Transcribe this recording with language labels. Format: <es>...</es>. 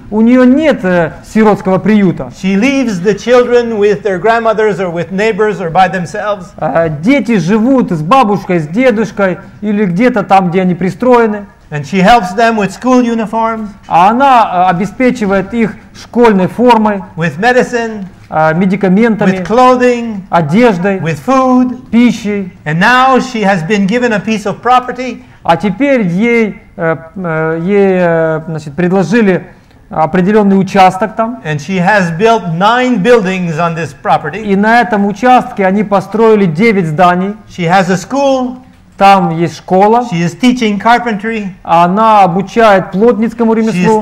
<ru>У нее нет сиротского приюта.</ru> <en>She leaves the children with their grandmothers or with neighbors or by themselves.</en> <ru>Дети живут с бабушкой, с дедушкой или где-то там, где они пристроены.</ru> <en>And she helps them with school uniforms.</en> <ru>А она обеспечивает их школьной формой.</ru> <en>With medicine.</en> <ru>Медикаментами.</ru> <en>With clothing.</en> <ru>Одеждой.</ru> <en>With food.</en> <ru>Пищей.</ru> <en>And now she has been given a piece of property.</en> <ru>А теперь ей предложили определенный участок там.</ru> <en>And she has built 9 buildings on this property.</en> <ru>И на этом участке они построили 9 зданий.</ru> <en>She has a school.</en> <ru>Там есть школа.</ru> <en>She is teaching carpentry.</en> <ru>Она обучает плотницкому ремеслу.</ru>